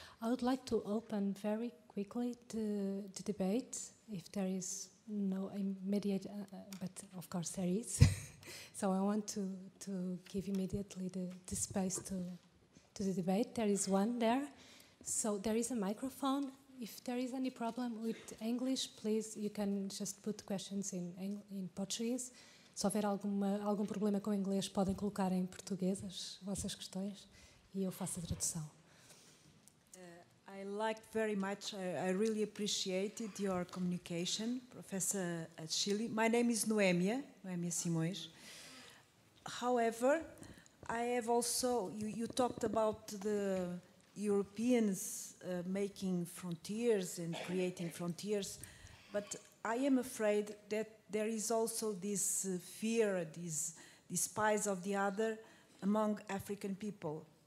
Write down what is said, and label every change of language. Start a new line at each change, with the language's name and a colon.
English: I would like to open very quickly the debate, if there is no immediate, but of course there is. So I want to give immediately the space to the debate. There is one there. So there is a microphone. If there is any problem with English, please, you can just put questions in Portuguese.
Portuguese: Se houver algum problema com o inglês, podem colocar em português as vossas questões e eu faço a tradução.
English: I like very much, I really appreciated your communication, Professor Achille. My name is Noémia Simões. However, I have also, you talked about the Europeans making frontiers and creating frontiers, but I am afraid that there is also this fear, this despise of the other among African people.